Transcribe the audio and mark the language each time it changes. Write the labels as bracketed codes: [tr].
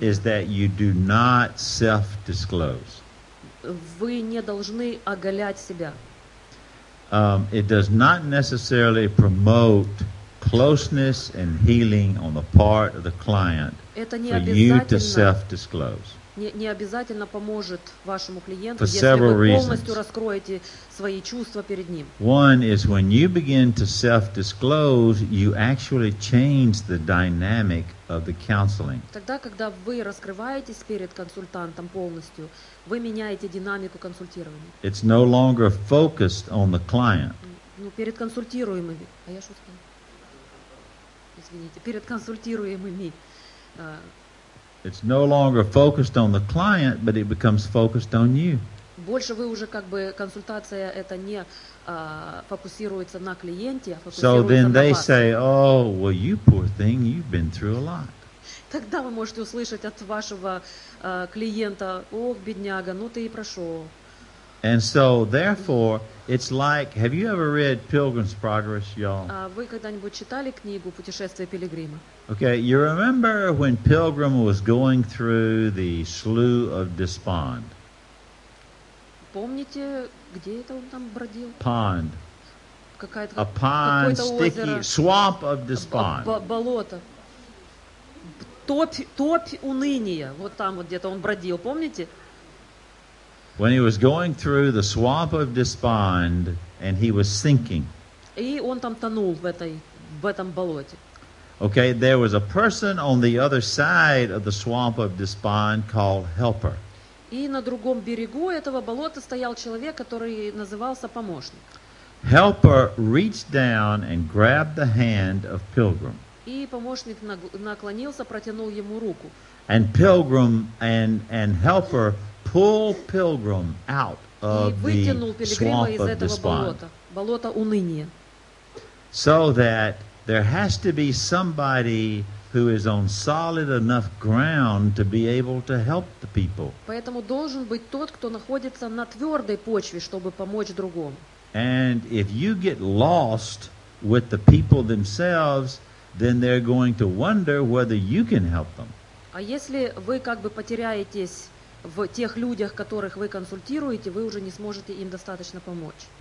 [en] is that you do not self-disclose. [ru] Вы не должны оголять себя. [en] It does not necessarily promote closeness and healing on the part of the client for you to self-disclose. [ru] не обязательно поможет вашему клиенту, если вы полностью [en] reasons. [ru] Раскроете свои чувства перед ним. [en] One is when you begin to self-disclose, you actually change the dynamic of the counseling. [ru] Тогда, когда вы раскрываетесь перед консультантом полностью, вы меняете динамику консультирования. [en] It's no longer focused on the client. [ru] Ну, перед консультируемыми. А я что сказала? Извините, перед консультируемыми. [en] It's no longer focused on the client, but it becomes focused on you. [ru] Больше вы уже как бы консультация это не фокусируется на клиенте, а фокусируется на вас. [en] So then they [ru] вас. [en] Say, oh, well, you poor thing, you've been through a lot. [ru] Тогда вы можете услышать от вашего клиента, ох, бедняга, ну ты и прошел. [en] And so, therefore, it's like, have you ever read Pilgrim's Progress, y'all? [ru] Вы когда-нибудь читали книгу «Путешествие Пилигрима»? [en] Okay, you remember when Pilgrim was going through the Slough of Despond? [ru] Помните, где это он там бродил? [en] Pond. [ru] Какая-то, [en] a pond, sticky, Swamp of Despond. [ru] Болото. Топь уныния. Вот там вот где-то он бродил, помните? [en] When he was going through the swamp of despond and he was sinking. [ru] И он там тонул в этом болоте. [en] Okay, there was a person on the other side of the swamp of despond called helper. [ru] И на другом берегу этого болота стоял человек, который назывался помощник. [en] Helper reached down and grabbed the hand of pilgrim. [ru] И помощник наклонился, протянул ему руку. [en] And pilgrim and helper pull pilgrim out of the swamp of despond. [ru] Болото уныния. [en] So that there has to be somebody who is on solid enough ground to be able to help the people. [ru] Поэтому должен быть тот, кто находится на твердой почве, чтобы помочь другому. [en] And if you get lost with the people themselves, then they're going to wonder whether you can help them. [ru] А если вы как бы потеряетесь в тех людях, которых вы консультируете, вы уже не сможете им достаточно помочь.